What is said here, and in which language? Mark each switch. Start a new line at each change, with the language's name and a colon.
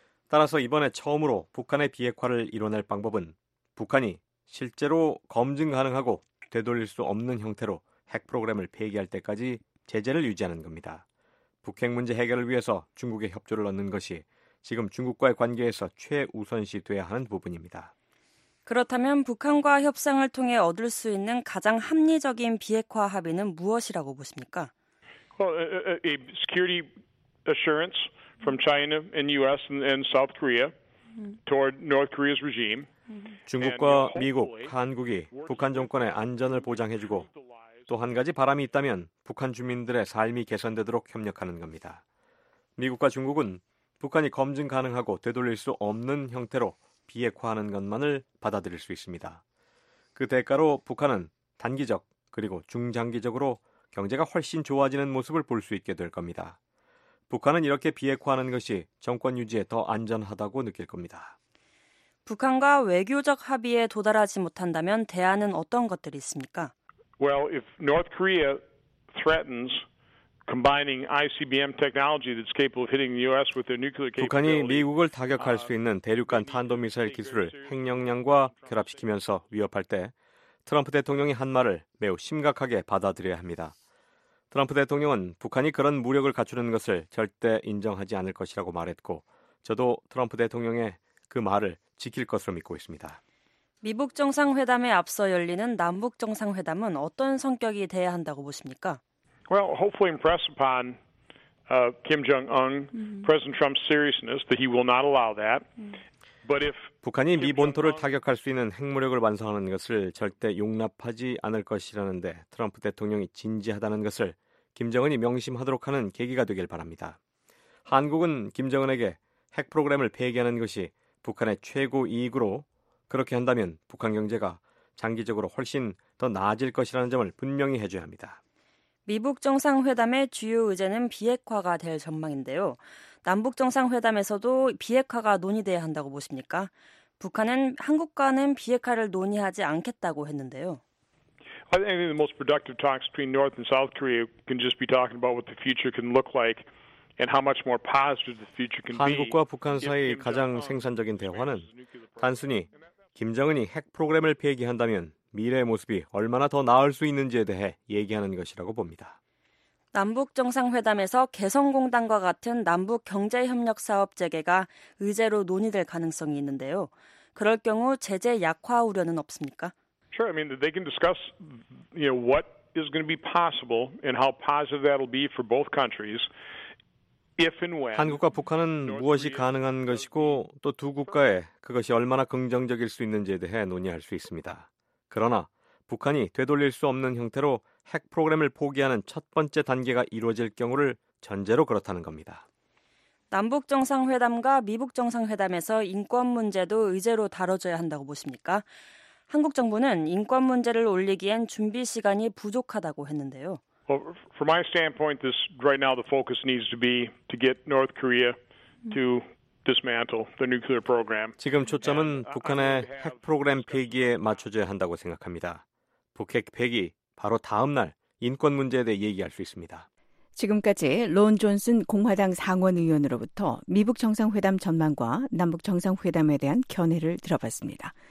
Korean: 따라서 이번에 처음으로 북한의 비핵화를 이뤄낼 방법은 북한이 실제로 검증 가능하고 되돌릴 수 없는 형태로 핵 프로그램을 폐기할 때까지 제재를 유지하는 겁니다. 북핵 문제 해결을 위해서 중국의 협조를 얻는 것이 지금 중국과의 관계에서 최우선시 돼야 하는 부분입니다. 그렇다면 북한과 협상을 통해 얻을 수 있는 가장 합리적인 비핵화 합의는 무엇이라고 보십니까?
English: A security assurance from China and U.S. and South Korea toward North Korea's regime.
Korean: 중국과 미국, 한국이 북한 정권의 안전을 보장해주고 또 한 가지 바람이 있다면 북한 주민들의 삶이 개선되도록 협력하는 겁니다. 미국과 중국은 북한이 검증 가능하고 되돌릴 수 없는 형태로 비핵화하는 것만을 받아들일 수 있습니다. 그 대가로 북한은 단기적 그리고 중장기적으로 경제가 훨씬 좋아지는 모습을 볼 수 있게 될 겁니다. 북한은 이렇게 비핵화하는 것이 정권 유지에 더 안전하다고 느낄 겁니다. 북한과 외교적 합의에 도달하지 못한다면 대안은 어떤 것들이 있습니까?
English: Well, if North Korea threatens combining ICBM technology that's capable of hitting the US with their nuclear capability.
Korean: 북한이 미국을 타격할 수 있는 대륙간 탄도 미사일 기술을 핵 역량과 결합시키면서 위협할 때 트럼프 대통령이 한 말을 매우 심각하게 받아들여야 합니다. 트럼프 대통령은 북한이 그런 무력을 갖추는 것을 절대 인정하지 않을 것이라고 말했고 저도 트럼프 대통령의 그 말을 지킬 것으로 믿고 있습니다. 미북 정상회담에 앞서 열리는 남북 정상회담은 어떤 성격이 돼야 한다고 보십니까?
English: Well, hopefully impress upon Kim Jong-un President Trump's seriousness that he will not allow that. But if
Korean: 북한이 미 본토를 타격할 수 있는 핵무력을 완성하는 것을 절대 용납하지 않을 것이라는데 트럼프 대통령이 진지하다는 것을 김정은이 명심하도록 하는 계기가 되길 바랍니다. 한국은 김정은에게 핵 프로그램을 폐기하는 것이 북한의 최고 이익으로 그렇게 한다면 북한 경제가 장기적으로 훨씬 더 나아질 것이라는 점을 분명히 해줘야 합니다. 미북 정상회담의 주요 의제는 비핵화가 될 전망인데요. 남북 정상회담에서도 비핵화가 논의돼야 한다고 보십니까? 북한은 한국과는 비핵화를 논의하지 않겠다고 했는데요.
English: I think the most productive talks between North and South Korea can just be talking about what the future can look like and how much more positive the future can be.
Korean: 한국과 북한 사이 가장 생산적인 대화는 단순히 김정은이 핵 프로그램을 폐기한다면 미래의 모습이 얼마나 더 나을 수 있는지에 대해 얘기하는 것이라고 봅니다. 남북정상회담에서 개성공단과 같은 남북경제협력사업 재개가 의제로 논의될 가능성이 있는데요. 그럴 경우 제재 약화 우려는 없습니까?
English: Sure, I mean, they can discuss you know, what is going to be possible and how positive that will be for both countries.
Korean: 한국과 북한은 무엇이 가능한 것이고 또 두 국가에 그것이 얼마나 긍정적일 수 있는지에 대해 논의할 수 있습니다. 그러나 북한이 되돌릴 수 없는 형태로 핵 프로그램을 포기하는 첫 번째 단계가 이루어질 경우를 전제로 그렇다는 겁니다. 남북정상회담과 미북정상회담에서 인권 문제도 의제로 다뤄져야 한다고 보십니까? 한국 정부는 인권 문제를 올리기엔 준비 시간이 부족하다고 했는데요.
English: Well, from my standpoint, this right now the focus needs to be to get North Korea to dismantle the nuclear program.
Korean: 지금 초점은 북한의 핵 프로그램 폐기에 맞춰져야 한다고 생각합니다. 북핵 폐기 바로 다음 날 인권 문제에 대해 얘기할 수 있습니다. 지금까지 론 존슨 공화당 상원 의원으로부터 미북 정상회담 전망과 남북 정상회담에 대한 견해를 들어봤습니다.